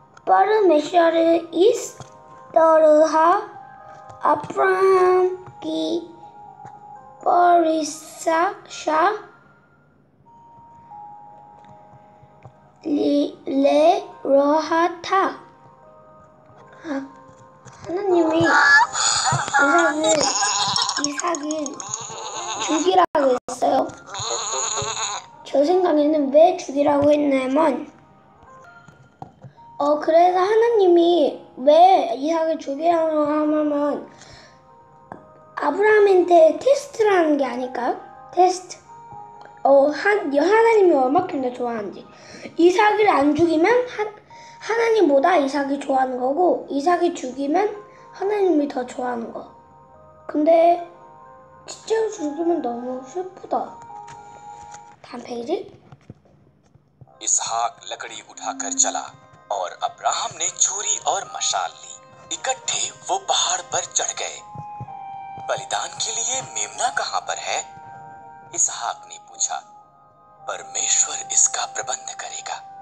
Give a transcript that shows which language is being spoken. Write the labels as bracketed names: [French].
[Hindi] परमेश्वर इस तरह अब्राहम की परीक्षा ले रहा था। हनुमानी इसाकी चुगी라고 했어요. [Korean] 저 생각에는 왜 죽이라고 했냐면, 그래서 하나님이 왜 이삭을 죽이라고 하면, 아브라함한테 테스트라는 게 아닐까요? 테스트. 하나님이 얼마큼나 좋아하는지. 이삭을 안 죽이면 하나님보다 이삭이 좋아하는 거고, 이삭이 죽이면 하나님이 더 좋아하는 거. 근데 진짜 죽으면 너무 슬프다. 다음 페이지. [Hindi] 이삭 लकड़ी उठाकर चला और अब्राहम ने छुरी और मशाल ली। इकट्ठे वो पहाड़ पर चढ़ गए। बलिदान के लिए मेमना कहाँ पर है? इसहाक ने पूछा। परमेश्वर इसका प्रबंध करेगा।